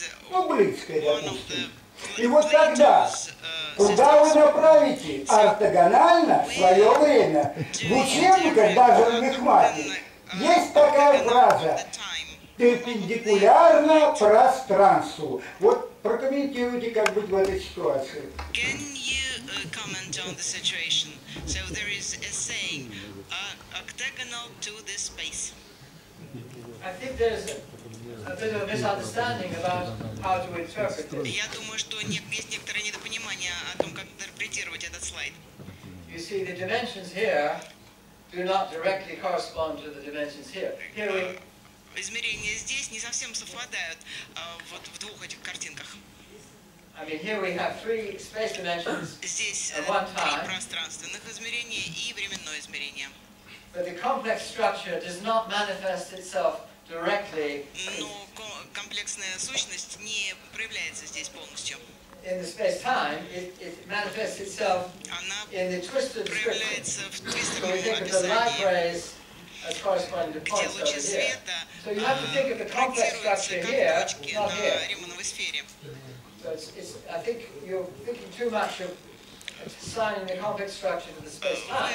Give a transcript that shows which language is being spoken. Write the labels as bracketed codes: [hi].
[ru] Ну, близкое, допустим. И вот тогда, куда вы направите ортогонально свое время? В учебниках, даже в Мехмате, есть такая фраза «перпендикулярно пространству». Вот прокомментируйте, как быть в этой ситуации. [en] Can you comment on the situation? So there is a saying, octagonal to the space. I think there's a bit of a misunderstanding about how to interpret it. [ru] Я думаю, что есть некоторое недопонимание о том, как интерпретировать этот слайд. [en] You see, the dimensions here do not directly correspond to the dimensions here. Here we... [ru] Измерения здесь не совсем совпадают вот в двух этих картинках. [en] I mean, here we have three space dimensions. [ru] Здесь три пространственных измерения и временное измерение. [en] But the complex structure does not manifest itself directly. [ru] Но комплексная сущность не проявляется здесь полностью. [en] In the space-time, it manifests itself in the twisted script. So we think of the light rays as corresponding to points over here. So you have to think of the complex structure here, not here. So it's, I think you're thinking too much of assigning the complex structure to the space-time.